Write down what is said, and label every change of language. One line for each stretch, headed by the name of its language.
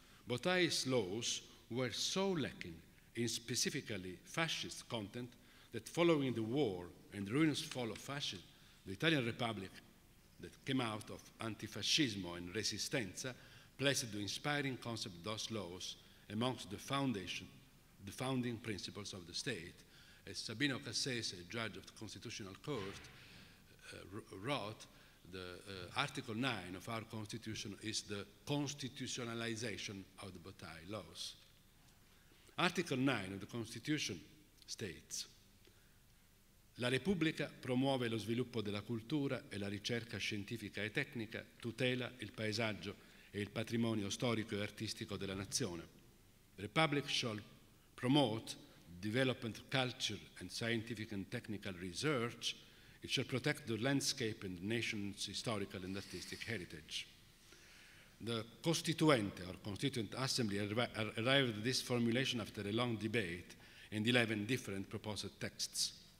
English: Bottai's laws were so lacking in specifically fascist content that following the war and the ruinous fall of fascism, the Italian Republic that came out of antifascismo and resistenza placed the inspiring concept of those laws amongst the foundation, the founding principles of the state. As Sabino Cassese, a judge of the Constitutional Court, wrote, the Article 9 of our Constitution is the constitutionalization of the Bottai laws. Article 9 of the Constitution states,
Italian: la Repubblica promuove lo sviluppo della cultura e la ricerca scientifica e tecnica, tutela il paesaggio e il patrimonio storico e artistico della nazione.
English: The Republic shall promote development of culture and scientific and technical research. It shall protect the landscape and the nation's historical and artistic heritage. The Costituente, or Constituent Assembly, arrived at this formulation after a long debate and 11 different proposed texts.